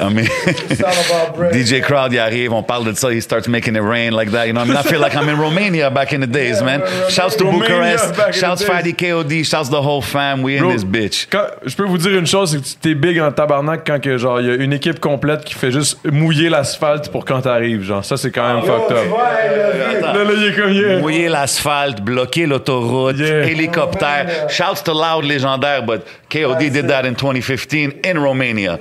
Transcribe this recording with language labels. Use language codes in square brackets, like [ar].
[en] I mean, DJ Crowd, [fr] il arrive, on parle de ça, [en] he starts making it rain like that. You know what I mean? I feel like I'm in Romania back in the days, man. Shouts to Bucharest. Shouts Fatty KOD. Shouts the whole fam. We in this bitch. [fr] Je peux vous dire une chose, c'est que t'es big en tabarnak quand que genre il y a une équipe complète qui fait juste mouiller l'asphalte pour quand t'arrives, genre ça c'est quand même fucked up. Mouiller l'asphalte, bloquer l'autoroute, hélicoptère. [en] Shouts to Loud légendaire, but KOD did that in 2015 in Romania.